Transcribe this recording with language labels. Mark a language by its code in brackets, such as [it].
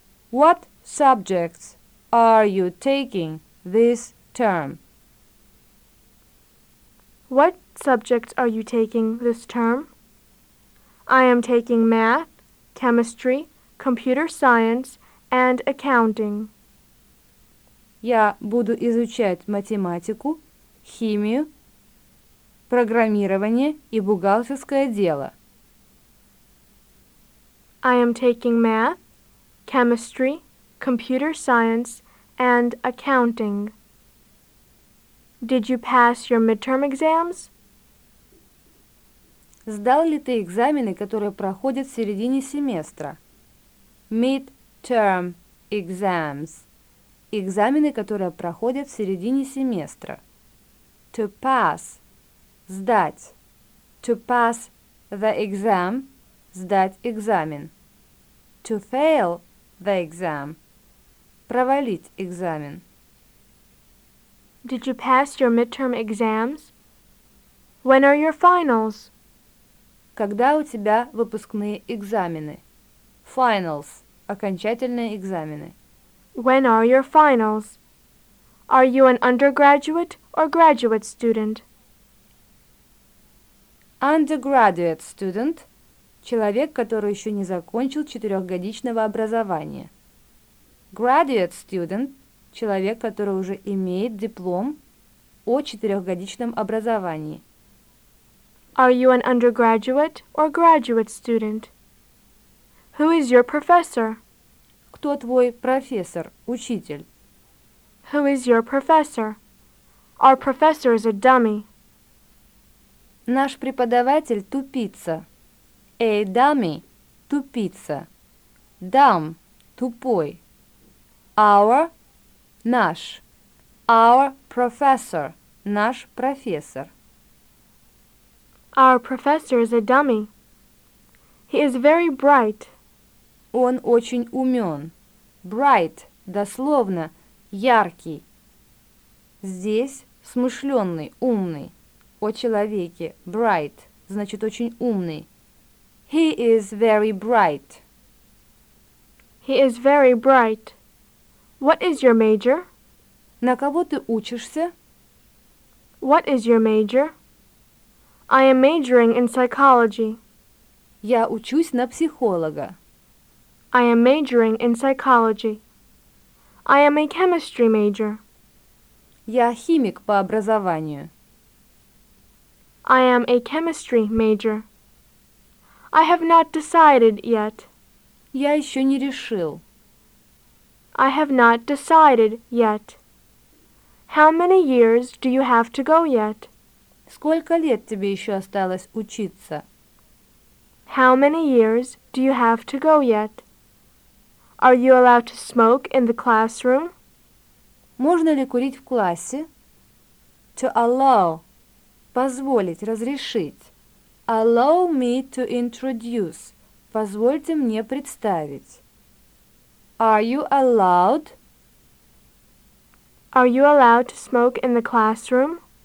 [en] What subjects are you taking this term? What subjects are you taking this term? I am taking math, chemistry, computer science, and accounting. [ru] Я буду изучать математику, химию, программирование и бухгалтерское дело. [en] I am taking math, chemistry, computer science, and accounting. Did you pass your midterm exams? [ru] Сдал ли ты экзамены, которые проходят в середине семестра? [en] Midterm exams. [ru] Экзамены, которые проходят в середине семестра. [en] To pass. Сдать. To pass the exam. [ru] Сдать экзамен. [en] To fail the exam. [ru] Провалить экзамен. [en] Did you pass your midterm exams? When are your finals? [ru] Когда у тебя выпускные экзамены? [en] Finals. [ru] Окончательные экзамены. [en] When are your finals? Are you an undergraduate or graduate student? Undergraduate student [ru] – человек, который еще не закончил четырехгодичного образования. [en] Graduate student [ru] – человек, который уже имеет диплом о четырехгодичном образовании. [en] Are you an undergraduate or graduate student? Who is your professor? [ru] Кто твой профессор, учитель? [en] Who is your professor? Our professor is a dummy. [ru] Наш преподаватель – тупица. [en] A dummy – тупица. Dumb – тупой. Our – наш. Our professor – [ru] наш профессор. [en] Our professor is a dummy. He is very bright. [ru] Он очень умен. Bright – дословно яркий. Здесь смышленный, умный. О человеке. Bright – значит очень умный. [en] He is very bright. He is very bright. What is your major? [ru] На кого ты учишься? [en] What is your major? I am majoring in psychology. [ru] Я учусь на психолога. [en] I am majoring in psychology. I am a chemistry major. [ru] Я химик по образованию. [en] I am a chemistry major. I have not decided yet. [ru] Я еще не решил. [en] I have not decided yet. How many years do you have to go yet? [ru] Сколько лет тебе еще осталось учиться? [en] How many years do you have to go yet? Are you allowed to smoke in the classroom? [ru] Можно ли курить в классе? [en] To allow. [ru] Позволить, разрешить. [en] Allow me to introduce. [ru] Позвольте мне представить. [en] Are you allowed? Are you allowed to smoke in the classroom?